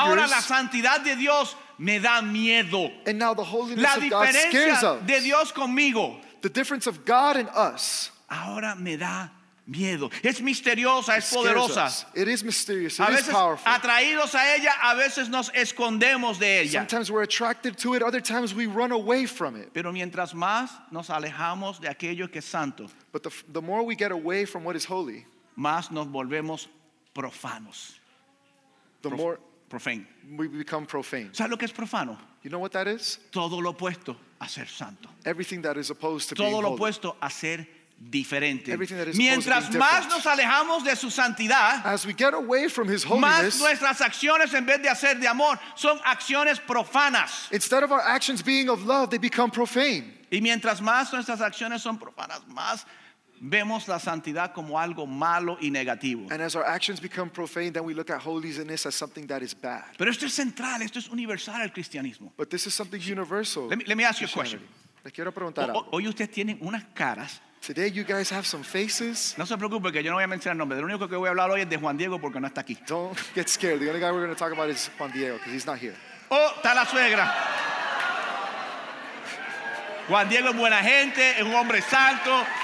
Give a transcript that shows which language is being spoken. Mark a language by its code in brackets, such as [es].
[es] Ahora la santidad de Dios me da miedo. [en] And now the holiness of God scares us. [es] De Dios conmigo. [en] The difference of God and us. [es] Ahora me da miedo. Es misteriosa, es poderosa. [en] Us. It is mysterious. It [es] a veces [en] is powerful. [es] Atraídos a ella, a veces nos escondemos de ella. [en] Sometimes we're attracted to it, other times we run away from it. [es] Pero mientras más nos alejamos de aquello que es santo, [en] but the more we get away from what is holy, [es] más nos volvemos profanos. [en] The more profane. We become profane. [es] ¿Sabes lo que es profano? [en] You know what that is? [es] Todo lo opuesto. a ser santo. [en] Everything that is opposed to being holy. [es] Todo lo opuesto a ser diferente. Mientras más nos alejamos de su santidad, [en] as we get away from his holiness, [es] más nuestras acciones en vez de hacer de amor son acciones profanas. [en] Instead of our actions being of love, they become profane. [es] Y mientras más nuestras acciones son profanas, más vemos la santidad como algo malo y negativo. [en] And as our actions become profane, then we look at holiness as something that is bad. [es] Pero esto es central, esto es universal al cristianismo. [en] But this is something universal. Let me ask you a question. [es] Les quiero preguntar algo. Hoy ustedes tienen unas caras. [en] Today you guys have some faces. [es] No se preocupe que yo no voy a mencionar nombres. Lo único que voy a hablar hoy es de Juan Diego porque no está aquí. [en] Don't get scared. The only guy we're going to talk about is Juan Diego because he's not here. [es] Oh, está la suegra. Juan Diego es buena gente, es un hombre santo.